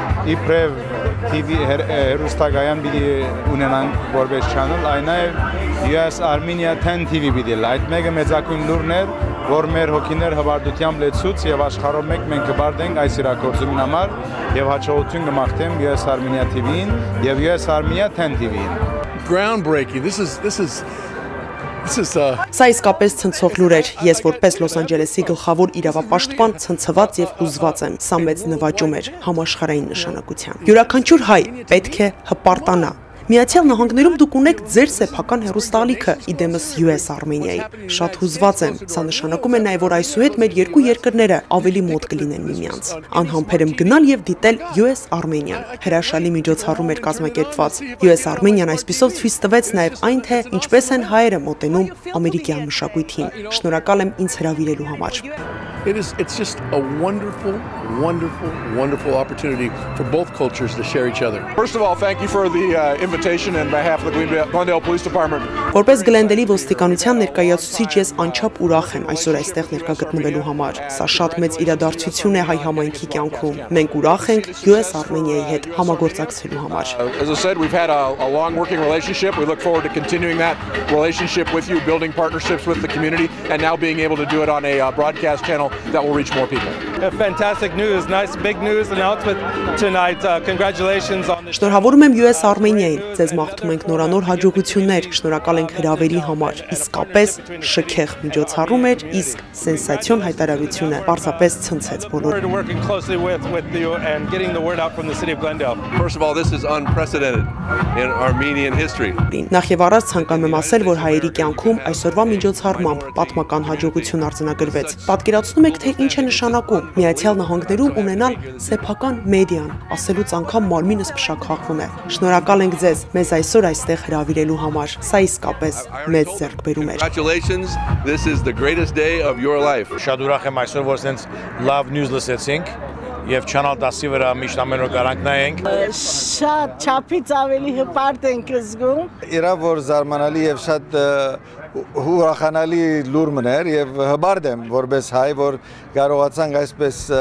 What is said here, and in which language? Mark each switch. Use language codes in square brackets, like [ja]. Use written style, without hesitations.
[hy] իբրև TV հեռուստագայան պիտի ունենանք որպես չանել, այն նաև US Armenia 10 TV պիտի լինի, այդ մեկը մեծակույն լուրն է, որ մեր հոգիներ հպարտությամբ լեցուց և աշխարհով մեկ մենք կբարդենք այս իրագործումին համար և հաջողություն կմաղթեմ US Armenia TV-ին և US Armenia 10 TV-ին։ [en] Groundbreaking, this is [hy] Սա իսկապես ցնցող լուր էր, ես որպես Լոս Անջելեսի գլխավոր իրավապաշտպան ցնցված և ուզված եմ, սա մեծ նվաճում էր համաշխարհային նշանակության։ Յուրաքանչյուր հայ պետք է հպարտանա։ Միացյալ Նահանգներում դուք ունեք ձեր սեփական հեռուստալիքը, իդեմս US Armenia-ի։ Շատ հուզված եմ, սա նշանակում է նաև, որ այսուհետ մեր երկու երկրները ավելի մոտ կլինեն միմյանց։ Անհամբեր եմ գնալ և դիտել US Armenia-ն։ Հրաշալի միջոցառում էր կազմակերպված։ US Armenia-ն այսպիսով ցույց տվեց նաև այն, թե ինչպես են հայերը մոտենում ամերիկյան մշակույթին։ Շնորհակալ եմ ինձ հրավիրելու համար։ [en] It's just a wonderful, wonderful, wonderful opportunity for both cultures to share each other. First of all, thank you for the invitation on behalf of the Glendale Police Department. [hy] Որպես Գլենդելի ոստիկանության ներկայացուցիչ ես անչափ ուրախ եմ այսօր այստեղ ներկա գտնվելու համար։ Սա շատ մեծ իրադարձություն է հայ համայնքի կյանքում։ Մենք ուրախ ենք US Armenia-ի հետ համագործակցելու համար։ [en] As I said, we've had a long working relationship. We look forward to continuing that relationship with you, building partnerships with the community, and now being able to do it on a broadcast channel that will reach more people. Fantastic news, nice big news announcement tonight. Congratulations on this. [hy] Շնորհավորում եմ US Armenia-ին։ Ձեզ մաղթում ենք նորանոր հաջողություններ։ Շնորհակալ ենք հրավերի համար։ Իսկապես շքեղ միջոցառում էր, իսկ սենսացիոն հայտարարությունը պարզապես ցնցեց բոլորին։ [en] First of all, this is unprecedented in Armenian history. [hy] Նախ եւ առաջ ցանկանում եմ ասել, որ հայերի կյանքում այսօրվա միջոցառմամբ պատմական հաջողություն արձանագրվեց։ Պատկերացնում եք, թե ինչ է նշանակում Միացյալ Նահանգներում ունենալ սեփական մեդիան, ասելուց անգամ մարմինս փշաքաղվում է։ Շնորհակալ ենք ձեզ մեզ այսօր այստեղ հրավիրելու համար։ Սա իսկապես մեծ ձեռքբերում է։ [en] Congratulations. This is the greatest day of your life. [hy] Շատ ուրախ եմ այսօր, որ ցենց լավ նյուզ լսեցինք և Channel 10-ի վրա միշտ ամեն օր կարանգնայինք։ Շատ չափից ավելի հպարտ ենք զգում։ Իրա որ զարմանալի և շատ ուրախանալի լուր մներ և հպարտ եմ որպես հայ, որ կարողացանք այսպես